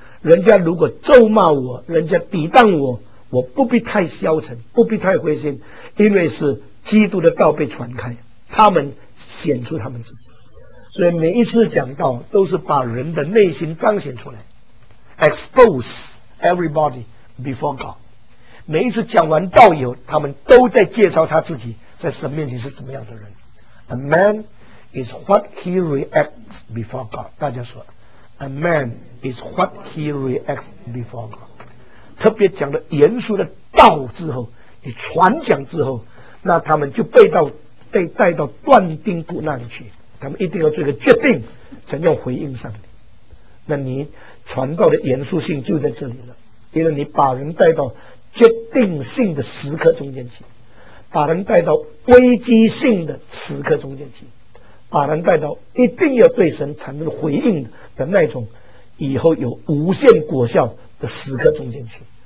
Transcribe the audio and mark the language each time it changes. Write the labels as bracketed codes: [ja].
[zh] 人家如果咒骂我，人家抵挡我，我不必太消沉，不必太灰心，因为是基督的道被传开，他们显出他们自己。所以每一次讲道都是把人的内心彰显出来， [en] expose everybody before God。 [zh] 每一次讲完道以后，他们都在介绍他自己在神面前是怎么样的人。 [en] A man is what he reacts before God。 [zh] 大家说 [en] A man is what he reacts before God。 [zh] 特别讲了严肃的道之后，你传讲之后，那他们就被带到断钉骨那里去，他们一定要做一个决定，才要回应上帝。那你传道的严肃性就在这里了，因为你把人带到决定性的时刻中间去，把人带到危机性的时刻中间去，把人带到一定要对神产生回应的那种以后有无限果效的时刻中间去。